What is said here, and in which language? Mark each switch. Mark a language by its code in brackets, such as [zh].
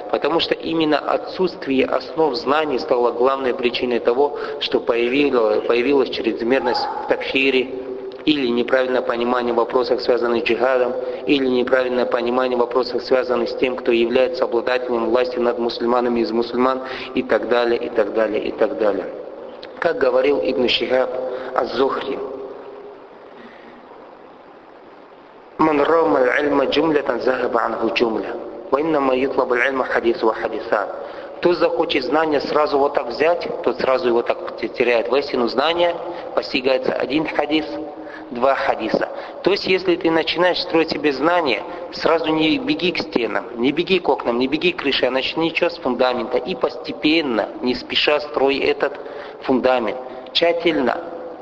[ru] Потому что именно отсутствие основ знаний стало главной причиной того, что появилась чрезмерность в такфире, или неправильное понимание в вопросах, связанных с джихадом, или неправильное понимание в вопросах, связанных с тем, кто является обладателем власти над мусульманами из мусульман, и так далее, и так далее, и так далее. Как говорил [ar] Ибн Шихаб аз-Зухри, من رام العلم جملة ذهب عنه جملة وإنما يطلب العلم حديث وحديثات. [ru] Кто захочет знания сразу вот так взять, тот сразу его так теряет. Воистину знания постигается один хадис, два хадиса. То есть если ты начинаешь строить себе знания, сразу не беги к стенам, не беги к окнам, не беги к крыше, а начни что с фундамента и постепенно, не спеша, строй этот фундамент тщательно.